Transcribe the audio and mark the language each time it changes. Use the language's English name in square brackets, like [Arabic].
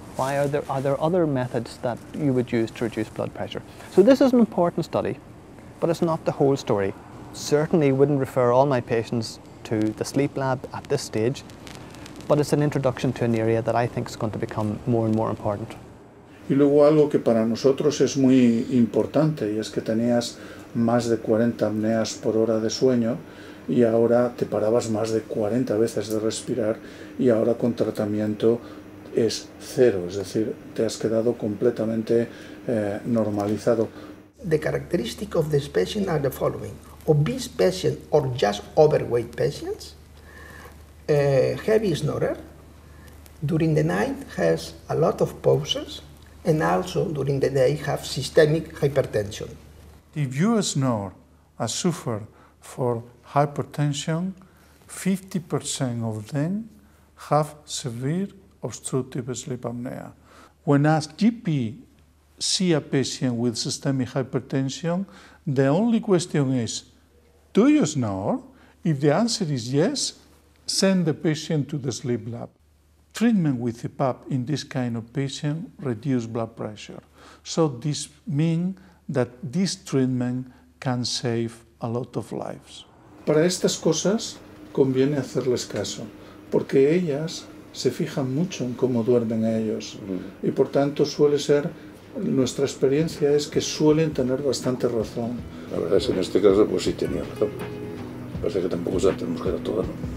[English] Why are there other methods that you would use to reduce blood pressure? So this is an important study, but it's not the whole story. Certainly wouldn't refer all my patients to the sleep lab at this stage, but it's an introduction to an area that I think is going to become more and more important. [Spanish] Y luego algo que para nosotros es muy importante, y es que tenías más de 40 apneas por hora de sueño, y ahora te parabas más de 40 veces de respirar, y ahora con tratamiento es cero, es decir, te has quedado completamente normalizado. [English] The characteristics of this patient are the following. Obese patients or just overweight patients, heavy snorer, during the night has a lot of pauses, and also during the day have systemic hypertension. If you snore and suffer for hypertension, 50% of them have severe obstructive sleep apnea. When a GP see a patient with systemic hypertension, the only question is, do you snore? If the answer is yes, send the patient to the sleep lab. Treatment with CPAP in this kind of patient reduces blood pressure. So this means that this treatment can save a lot of lives. [Spanish] Para estas cosas conviene hacerles caso, porque ellas se fijan mucho en cómo duermen ellos. Y por tanto suele ser, nuestra experiencia es que suelen tener bastante razón. La verdad es que en este caso pues sí tenía razón. Parece que tampoco se la tenemos que dar toda, ¿no?